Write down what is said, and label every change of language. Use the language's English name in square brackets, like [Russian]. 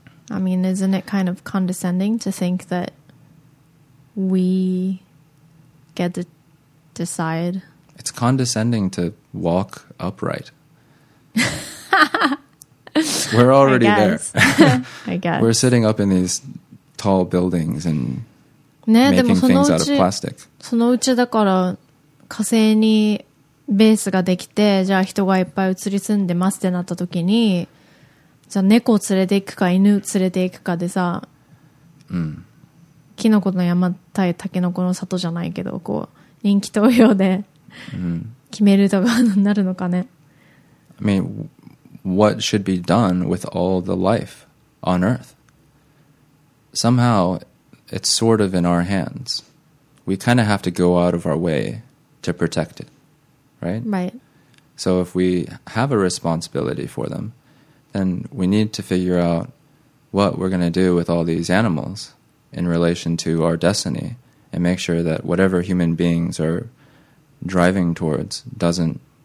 [English] I mean, isn't it kind of condescending to think that we get to decide? It's condescending to walk upright. We're already I there. I guess. We're sitting up in these tall buildings and [Japanese] ね、でもそのうちだから火星にベースができてじゃあ人がいっぱい移り住んでますってなった時にじゃあ猫を連れていくか犬を連れていくかでさ、うん、キノコの山対タケノコの里じゃないけどこう人気投票で、うん、決めるとかになるのかね [English] I mean, what should be done with all the life on Earth? Somehow,It's sort of in our hands. We kind of have to go out of our way to protect it, right? Right. So if we have a responsibility for them, then we need to figure out what we're going to do with all these animals in relation to our destiny and make sure that whatever human beings are driving towards doesn't